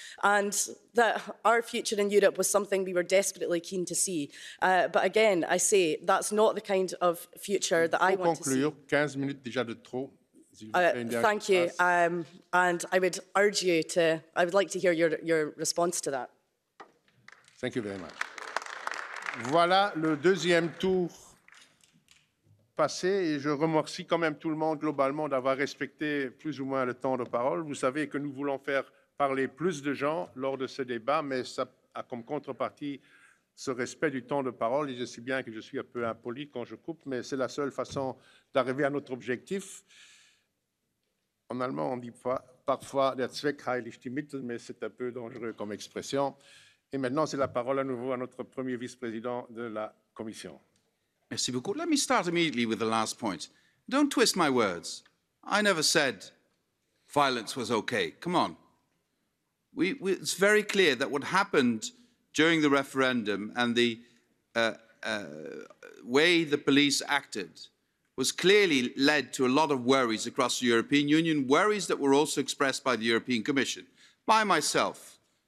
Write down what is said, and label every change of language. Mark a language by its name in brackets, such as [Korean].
[English] And that our future in Europe was something we were desperately keen to see. But again, I say, that's not the kind of future that I want to see. [French] 15 minutes déjà de trop. [English] Thank you. And I would urge you to, I would like to hear your response to that. Thank you very much. [French] Voilà le deuxième tour passé et je remercie quand même tout le monde globalement d'avoir respecté plus ou moins le temps de parole. Vous savez que nous voulons faire parler plus de gens lors de ce débat, mais ça a comme contrepartie ce respect du temps de parole. Et je sais bien que je suis un peu impoli quand je coupe, mais c'est la seule façon d'arriver à notre objectif. En allemand, on dit parfois « [German] der Zweck heiligt die Mittel [French] », mais c'est un peu dangereux comme expression. Et maintenant, c'est la parole à nouveau à notre premier vice-président de la Commission. Merci beaucoup. [English] Let me start immediately with the last point. Don't twist my words. I never said violence was okay. Come on. It's very clear that what happened during the referendum and the way the police acted was clearly led to a lot of worries across the European Union, worries that were also expressed by the European Commission, by myself.